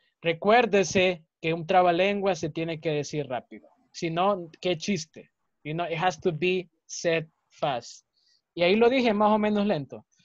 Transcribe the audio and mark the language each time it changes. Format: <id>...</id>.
<es>Recuérdese que un trabalengua se tiene que decir rápido. Si no, qué chiste.</es> <en>You know, it has to be said fast.</en> <es>Y ahí lo dije más o menos lento.</es>